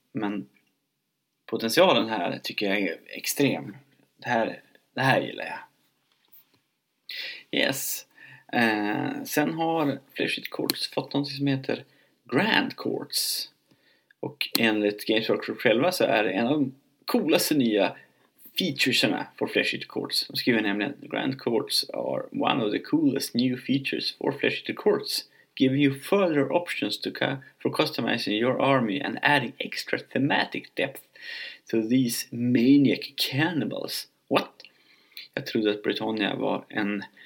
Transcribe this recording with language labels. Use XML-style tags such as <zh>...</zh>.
<sv>Men potentialen här tycker jag är extrem. Det här gillar jag. Yes. Sen har Flesh Eater Courts fått något som heter Grand Courts. Och enligt Games Workshop själva så är det en av de coolaste nya featureserna för Flesh Eater Courts. De skriver nämligen</sv> <en>Grand Courts are one of the coolest new features for Flesh Eater Courts, giving you further options to for customizing your army and adding extra thematic depth to these maniac cannibals. What?</en> <sv>Jag trodde att Britannia var en...</sv>